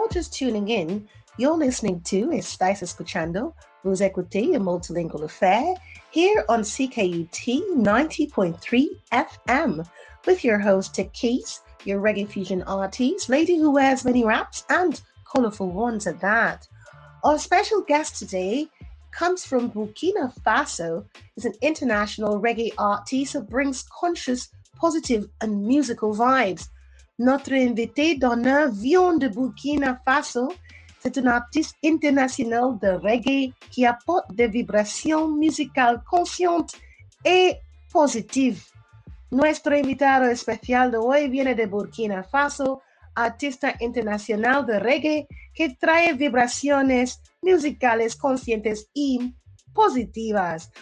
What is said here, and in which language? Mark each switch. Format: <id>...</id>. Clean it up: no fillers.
<en>Tuning in, you're listening to Estás Escuchando, Vos Écoutez, a Multilingual Affair, here on CKUT 90.3 FM, with your host, Tekis, your reggae fusion artiste, lady who wears many wraps, and colorful ones at that. Our special guest today comes from Burkina Faso, is an international reggae artist who brings conscious, positive, and musical vibes.</en> <fr>Notre invité d'honneur vient de Burkina Faso. C'est un artiste international de reggae qui apporte des vibrations musicales conscientes et positives.</fr> <es>Nuestro invitado especial de hoy viene de Burkina Faso, artista internacional de reggae que trae vibraciones musicales conscientes y positivas.</es>